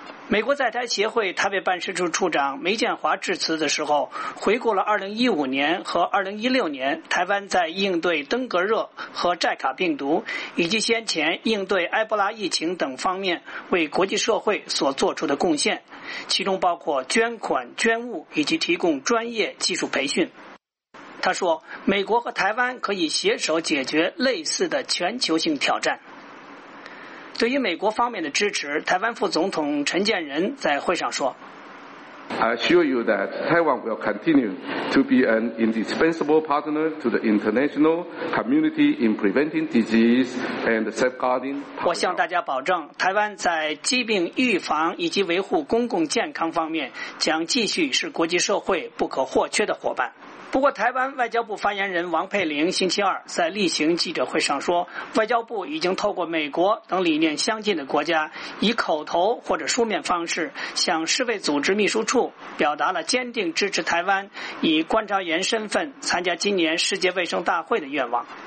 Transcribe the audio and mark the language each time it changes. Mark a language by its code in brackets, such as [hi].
[zh] 美国在台协会台北办事处处长梅建华致辞的时候，回顾了2015年和2016年台湾在应对登革热和寨卡病毒以及先前应对埃博拉疫情等方面为国际社会所做出的贡献，其中包括捐款捐物以及提供专业技术培训。他说，美国和台湾可以携手解决类似的全球性挑战。对于美国方面的支持，台湾副总统陈建仁在会上说 [en] I assure you that Taiwan will continue to be an indispensable partner to the international community in preventing disease and safeguarding. [zh] 我向大家保证，台湾在疾病预防以及维护公共健康方面将继续是国际社会不可或缺的伙伴。不过台湾外交部发言人王佩玲星期二在例行记者会上说，外交部已经透过美国等理念相近的国家以口头或者书面方式向世卫组织秘书处表达了坚定支持台湾以观察员身份参加今年世界卫生大会的愿望。